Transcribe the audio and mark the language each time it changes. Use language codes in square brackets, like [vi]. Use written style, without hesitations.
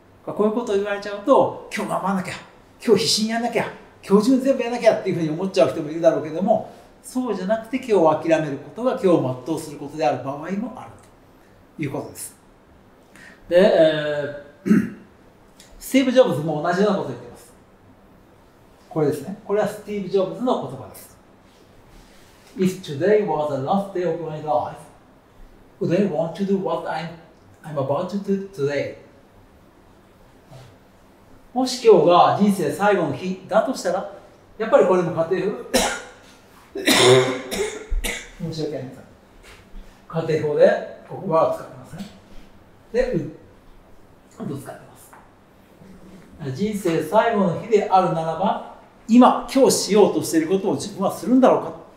[ja] こういうことを言われちゃうと、今日頑張らなきゃ、今日必死にやらなきゃ、今日中全部やらなきゃっていうふうに思っちゃう人もいるだろうけども、そうじゃなくて今日諦めることが今日全うすることである場合もあるということです。で、スティーブ・ジョブズも同じようなことを言っています。これですね。これはスティーブ・ジョブズの言葉です。 [en] If today was the last day of my life, would I want to do what I'm about to do today? [ja] もし今日が人生最後の日だとしたら、やっぱりこれも家庭法申し訳ありません。家庭法でここは使ってますね。で、うん。どう使ってます。人生最後の日であるならば、今、今日しようとしていることを自分はするんだろうか。